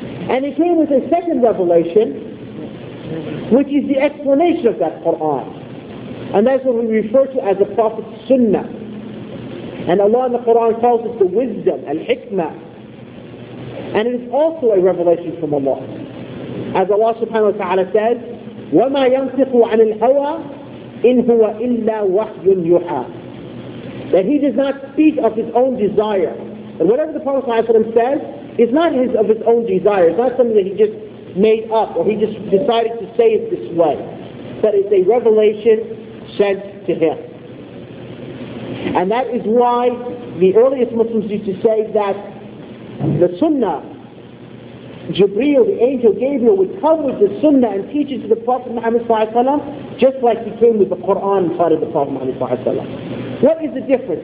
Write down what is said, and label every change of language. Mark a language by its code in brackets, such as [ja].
[en] And it came with a second revelation, which is the explanation of that Quran. And that's what we refer to as the Prophet's Sunnah. And Allah in the Quran calls it the wisdom, al-hikmah. And it is also a revelation from Allah. As Allah subhanahu wa ta'ala says, [ar] وَمَا يَنْطِقُ عَنِ الْهَوَىٰ إِنْ هُوَ إِلَّا وَحْيٌ يُحَىٰ. [en] That he does not speak of his own desire. And whatever the Prophet ﷺ says is not his of his own desire. It's not something that he just made up or he just decided to say it this way. But it's a revelation sent to him. And that is why the earliest Muslims used to say that the Sunnah, Jibreel, the angel Gabriel, would come with the Sunnah and teach it to the Prophet Muhammad ﷺ, just like he came with the Quran and taught it to the Prophet Muhammad ﷺ. What is the difference?